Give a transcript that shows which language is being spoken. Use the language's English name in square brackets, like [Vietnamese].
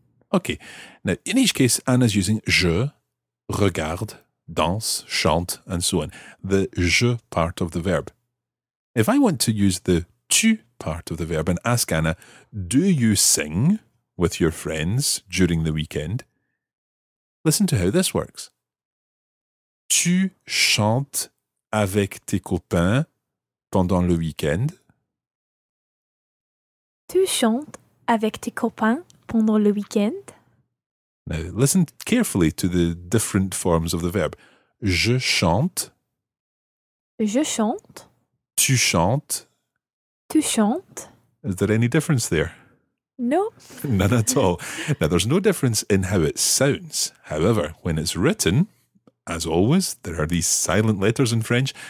[English] Okay. Now, in each case, Anna's using je, regarde, danse, chante, and so on. The je part of the verb. If I want to use the tu part of the verb and ask Anna, do you sing with your friends during the weekend? Listen to how this works. [French] Tu chantes avec tes copains pendant le week-end? Tu chantes avec tes copains pendant le week-end? [English] Now, listen carefully to the different forms of the verb. [French] Je chante. Je chante. Tu chantes. Tu chantes. [English] Is there any difference there? No. None at all. Now, there's no difference in how it sounds. However, when it's written, as always, there are these silent letters in French.